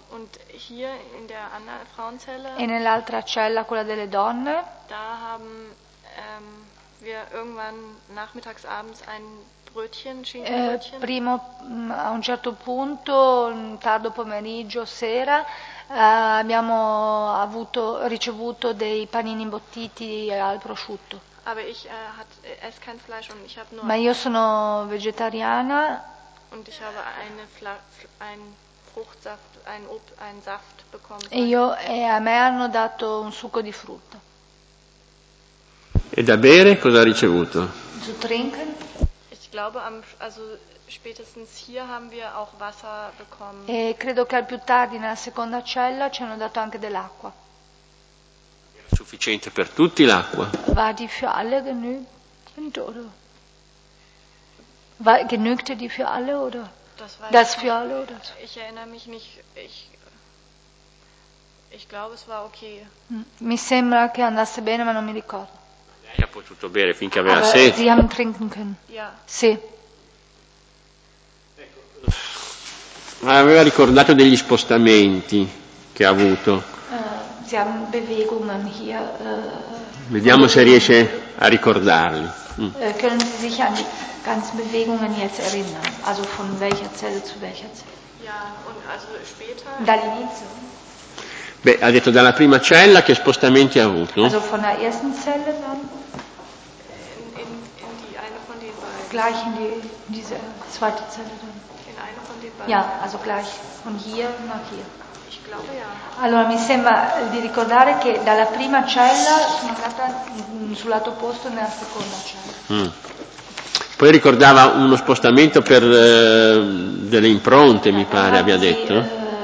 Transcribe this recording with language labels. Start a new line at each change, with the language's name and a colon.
German: Und hier in der anderen Frauenzelle,
Italian: e nell'altra cella, quella delle donne,
German: da haben wir irgendwann nachmittags abends ein Brötchen, Schinkenbrötchen.
Italian: Primo, a un certo punto, un tardo pomeriggio, sera, abbiamo avuto, ricevuto dei panini imbottiti al prosciutto.
German: Aber ich ess kein Fleisch und ich habe nur.
Italian: Ma io sono vegetariana.
German: Und ich habe eine Fruchtsaft, ein Saft bekommen.
Italian: E a me hanno dato un succo di frutta. E da bere cosa ha ricevuto?
German: Zu trinken? Ich glaube, also spätestens hier haben wir auch Wasser bekommen.
Italian: E credo che al più tardi nella seconda cella ci hanno dato anche dell'acqua. Era sufficiente per tutti l'acqua?
German: War die für alle genügend oder? War genügte die für alle oder? Das für alle oder? Ich erinnere mich nicht. Ich glaube, es war okay.
Italian: Mi sembra che andasse bene, ma non mi ricordo. Lei ha potuto bere finché aveva sete.
German: Sie haben trinken können. Ja.
Italian: Sì. Ma aveva ricordato degli spostamenti che ha avuto.
German: Sie haben Bewegungen hier.
Italian: Vediamo se riesce a ricordarli.
German: Können Sie sich an die ganzen Bewegungen jetzt erinnern? Also von welcher Zelle zu welcher Zelle? Ja, und also später?
Italian: Dall'inizio. Beh, ha detto dalla prima cella, che spostamenti ha avuto?
German: Also von der ersten Zelle dann? In die eine von den beiden. gleich in diese zweite Zelle dann. In eine von den beiden. Ja, also gleich von hier nach hier. Ich glaube ja.
Italian: Allora mi sembra di ricordare che dalla prima cella sono andata sul lato opposto nella seconda cella. Poi ricordava uno spostamento per delle impronte, mi pare abbia detto.